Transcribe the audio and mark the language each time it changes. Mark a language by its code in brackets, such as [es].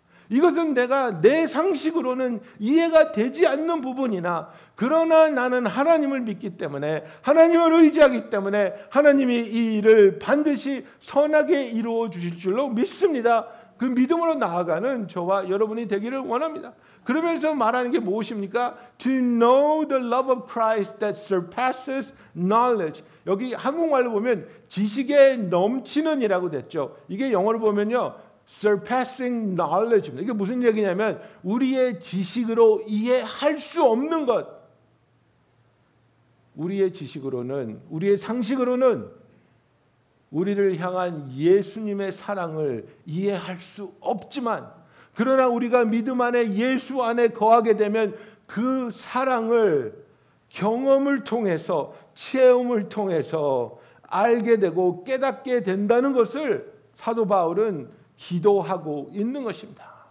[ko] 이것은 내가 내 상식으로는 이해가 되지 않는 부분이나 그러나 나는 하나님을 믿기 때문에 하나님을 의지하기 때문에 하나님이 이 일을 반드시 선하게 이루어 주실 줄로 믿습니다. 그 믿음으로 나아가는 저와 여러분이 되기를 원합니다. 그러면서 말하는 게 무엇입니까? [en] To know the love of Christ that surpasses knowledge. [ko] 여기 한국말로 보면 지식에 넘치는 이라고 됐죠. 이게 영어로 보면요. [en] Surpassing knowledge [ko] 입니다. 이게 무슨 얘기냐면 우리의 지식으로 이해할 수 없는 것. 우리의 지식으로는, 우리의 상식으로는 우리를 향한 예수님의 사랑을 이해할 수 없지만 그러나 우리가 믿음 안에 예수 안에 거하게 되면 그 사랑을 경험을 통해서 체험을 통해서 알게 되고 깨닫게 된다는 것을 사도 바울은 기도하고 있는 것입니다.